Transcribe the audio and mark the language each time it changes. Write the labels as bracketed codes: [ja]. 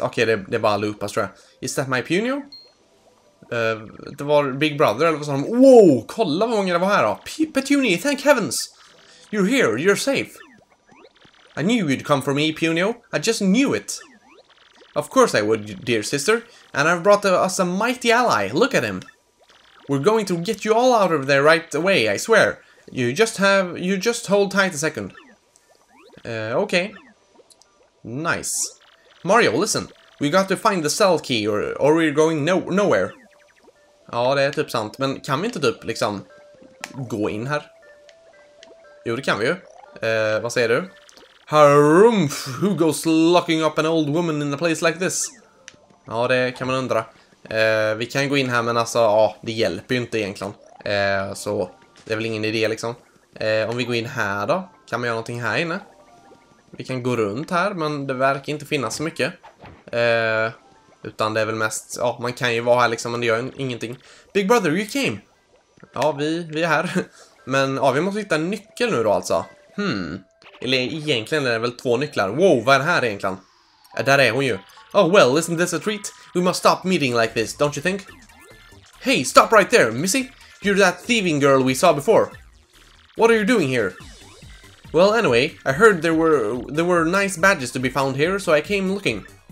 [sv] Okej, det är bara loopas, tror jag. [en] Is that my Punio? [sv] Det var Big Brother, eller vad sa de? Wow, kolla vad många det var här då. [en] Petuni, thank heavens. You're here, you're safe. I knew you'd come for me, Punio. I just knew it. Of course I would, dear sister. And I've brought us a mighty ally. Look at him. We're going to get you all out of there right away, I swear. You just hold tight a second. Okay. Nice. Mario, listen. We got to find the cell key or we're going nowhere. [sv] Ja, det är typ sant. Men kan vi inte typ liksom gå in här? Jo, det kan vi ju. Vad säger du? [en] Harumph, who goes locking up an old woman in a place like this? [sv] Ja, det kan man undra. Vi kan gå in här, men alltså, ja, det hjälper ju inte egentligen. Så det är väl ingen idé liksom. Om vi går in här då, kan man göra någonting här inne? Vi kan gå runt här, men det verkar inte finnas så mycket. Utan det är väl mest, ja, man kan ju vara här liksom, men det gör ingenting. [en] Big Brother, you came! [sv] Ja, vi är här. Men ja, vi måste hitta en nyckel nu då alltså. Eller egentligen är det väl två nycklar. Wow, vad är det här egentligen? Där är hon ju. [en] Oh well, isn't this a treat? We must stop meeting like this, don't you think? Hey, stop right there, Missy! You're that thieving girl we saw before. What are you doing here? Well, anyway, I heard there were nice badges to be found here, so I came looking.